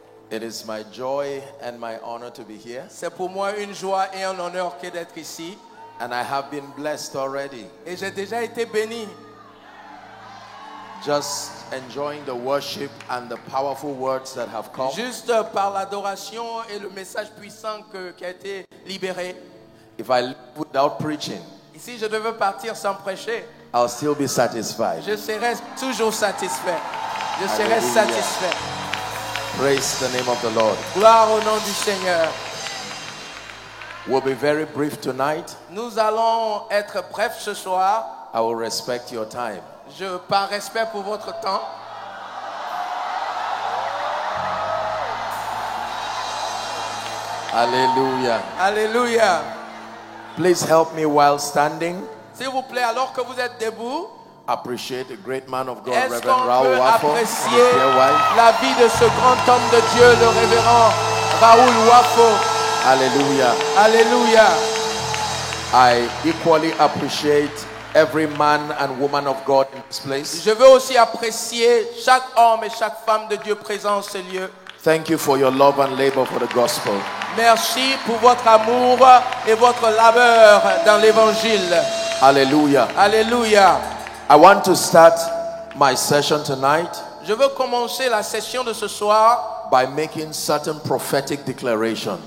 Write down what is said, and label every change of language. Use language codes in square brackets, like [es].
[en] It is my joy and my honor to be here. [fr] C'est pour moi une joie et un honneur que d'être ici. [en] And I have been blessed already. [fr] Et j'ai déjà été béni. [en] Just enjoying the worship and the powerful words that have come. [fr] Juste par l'adoration et le message puissant qui a été libéré. [en] If I leave without preaching, [fr] si je devais partir sans prêcher, [en] I'll still be satisfied. [fr] Je serai toujours satisfait. Je serai satisfait. [en] Praise the name of the Lord. [fr] Gloire au nom du Seigneur. [en] We'll be very brief tonight. [fr] Nous allons être brefs ce soir. [en] I will respect your time. [fr] Je par respect pour votre temps. Alléluia. Alléluia. [en] Please help me while standing. [fr] S'il vous plaît, alors que vous êtes debout. [en] Appreciate the great man of God, [fr] est-ce [en] Reverend Raoul Wafo. [fr] Est-ce qu'on peut apprécier la vie de ce grand homme de Dieu, le Révérend Raoul Wafo, [en] Hallelujah. Hallelujah. I equally appreciate every man and woman of God in this place. [fr] Je veux aussi apprécier chaque homme et chaque femme de Dieu présent en ce lieu. [en] Thank you for your love and labor for the gospel. [fr] Merci pour votre amour et votre labeur dans l'évangile. [en] Hallelujah. Hallelujah. I want to start my session tonight. [fr] Je veux commencer la session de ce soir [en] by making certain prophetic declarations.